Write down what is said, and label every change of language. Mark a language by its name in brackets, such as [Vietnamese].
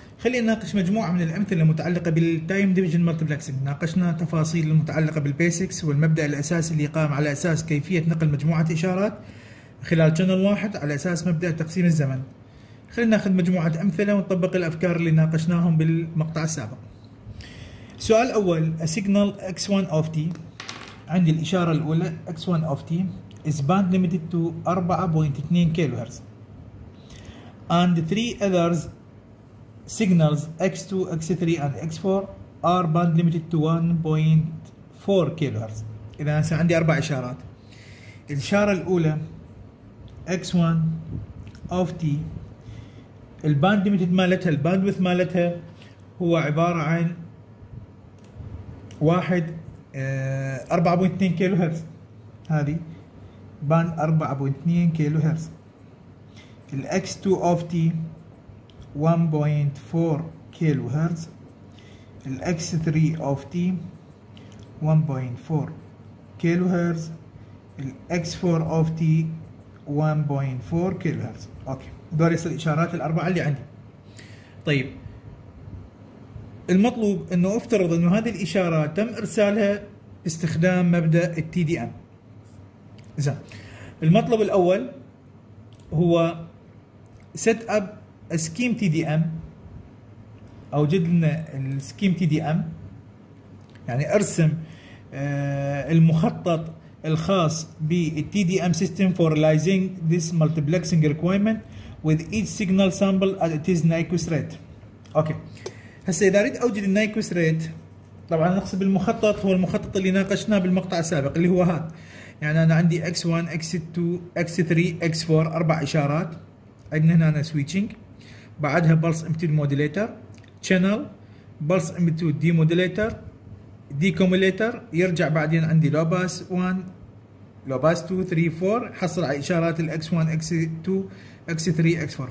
[Arabic] خلينا نناقش مجموعة من الأمثلة المتعلقة بالتايم ديفيجن مالتيبلكسنج. ناقشنا تفاصيل المتعلقة بالبيسكس والمبدأ الأساسي اللي قام على أساس كيفية نقل مجموعة إشارات خلال شانل واحد على أساس مبدأ تقسيم الزمن. خلينا ناخذ مجموعة أمثلة ونطبق الأفكار اللي ناقشناهم بالمقطع السابق. [English] سؤال أول: A signal x1 of t. [Arabic] عندي الإشارة الأولى [English] x1 of t is band limited to 4.2 kHz and three others signals x2, x3 and x4 are band limited to 1.4 kHz. [Arabic] إذا هسه عندي أربع إشارات. الإشارة الأولى x1 of t الباند ليميتد مالتها، الباند ويث مالتها هو عبارة عن 4.2 كيلو هرتز. هذه باند 4.2 كيلو هرتز. الX2 of T 1.4 كيلو هرتز. الX3 of T 1.4 كيلو هرتز. الX4 of T 1.4 كيلو هرتز. أوكي، دول يصل الإشارات الأربعة اللي عندي. طيب المطلوب أنه أفترض أنه هذه الإشارات تم إرسالها باستخدام مبدأ TDM. زين، المطلب الأول هو [English] set up a scheme TDM، [Arabic] أو جد لنا [English] scheme TDM، [Arabic] يعني أرسم المخطط الخاص [English] بالTDM system for realizing this multiplexing requirement with each signal sample as it is Nyquist rate. [Arabic] اوكي، هسه اذا اريد اوجد النايكوست ريت، طبعا نقصد بالمخطط هو المخطط اللي ناقشناه بالمقطع السابق اللي هو هذا. يعني انا عندي x1 x2 x3 x4 اربع اشارات، عندنا هنا انا سويتشنج، بعدها بلس امبليتود موديليتر شانل، بلس امبليتود دي موديليتر دي كوموليتر، يرجع بعدين عندي لوباس 1 لوباس 2 3 4، حصل على اشارات الx1 x2 x3 x4.